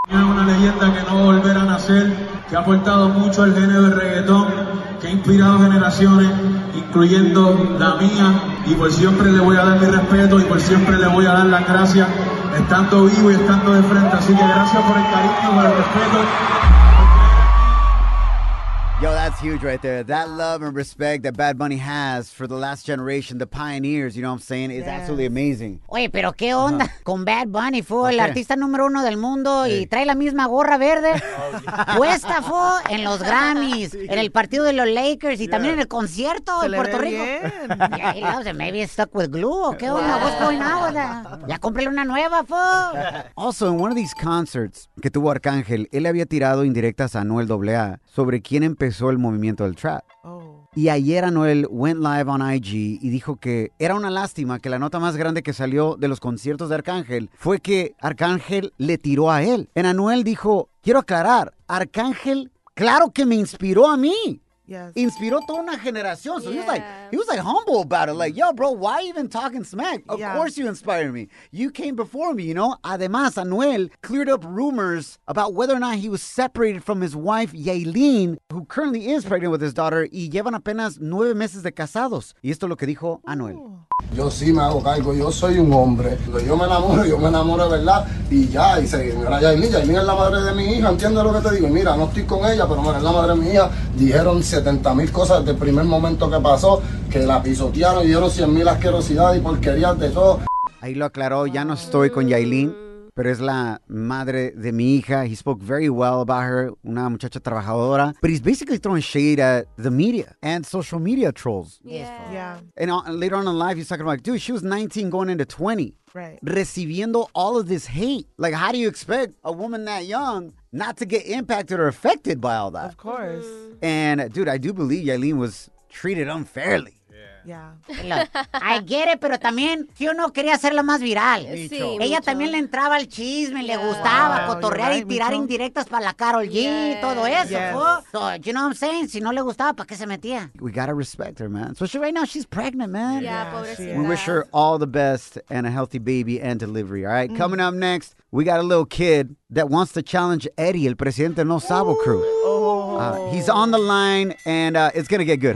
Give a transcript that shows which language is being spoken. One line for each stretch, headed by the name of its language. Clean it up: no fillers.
Spanish: Es una leyenda que no volverá a nacer, que ha aportado mucho al género del reggaetón, que ha inspirado generaciones, incluyendo la mía, y por siempre le voy a dar mi respeto y por siempre le voy a dar las gracias, estando vivo y estando de frente. Así que gracias por el cariño, por el respeto.
English: Yo, that's huge right there. That love and respect that Bad Bunny has for the last generation, the pioneers, you know what I'm saying, is absolutely amazing.
Spanish: Oye, pero qué onda con Bad Bunny, fue el artista número uno del mundo y trae la misma gorra verde puesta, fue en los Grammys, en el partido de los Lakers y también en el concierto en Puerto Rico. Bien.
English: Yeah, he loves it. Maybe it's stuck with glue.
Spanish: ¿Qué onda?
English: What's going on with that?
Spanish: Ya cómprale una nueva, fue.
English: Also, in one of these concerts
Spanish: que tuvo Arcángel, él había tirado indirectas a Anuel AA sobre quién empezó el movimiento del trap. Y ayer Anuel
English: went live on IG
Spanish: y dijo que era una lástima que la nota más grande que salió de los conciertos de Arcángel fue que Arcángel le tiró a él. En Anuel dijo, quiero aclarar, Arcángel, claro que me inspiró a mí.
English: Yes.
Spanish: Inspiró toda una generación.
English: So yeah. he was like humble about it. Like, yo, bro, why even talking smack? Of course you inspire me. You came before me, you know? Además, Anuel cleared up rumors about whether or not he was separated from his wife, Yailin, who currently is pregnant with his daughter,
Spanish: y llevan apenas 9 meses de casados. Y esto es lo que dijo Anuel. Yo sí me hago cargo, yo soy un hombre. Yo me enamoro, ¿verdad? Y ya, y se mira, Yailin es la madre de mi hija, ¿entiendes lo que te digo? Mira, no estoy con ella, pero mira, es la madre de mi hija. Dijeron 70,000 cosas desde el primer momento que pasó, que la pisotearon, dijeron 100,000 asquerosidades y porquerías de todo. Ahí lo aclaró, ya no estoy con Yailin, pero es la madre de mi hija.
English: He spoke very well about her,
Spanish: una muchacha trabajadora.
English: But he's basically throwing shade at the media and social media trolls. Yeah. And later on in life, he's talking about, dude, she was 19 going into 20. Right.
Spanish: Recibiendo
English: all of this hate. Like, how do you expect a woman that young not to get impacted or affected by all that? Of course. And, dude, I do believe Yailin was treated unfairly. Yeah. I get it,
Spanish: pero también si uno quería hacerla más viral. Sí, ella mucho. También le entraba al chisme, le gustaba cotorrear y tirar indirectas para la Karol G y todo eso.
English: Yes. So, you know what I'm saying?
Spanish: Si no le gustaba, ¿para qué se metía?
English: We gotta respect her, man. Especially right now, she's pregnant, man. Yeah,
Spanish: pobrecita.
English: We wish her all the best and a healthy baby and delivery, all right? Coming up next, we got a little kid that wants to challenge Eddie, el presidente No Sabo Crew. He's on the line and it's gonna get good.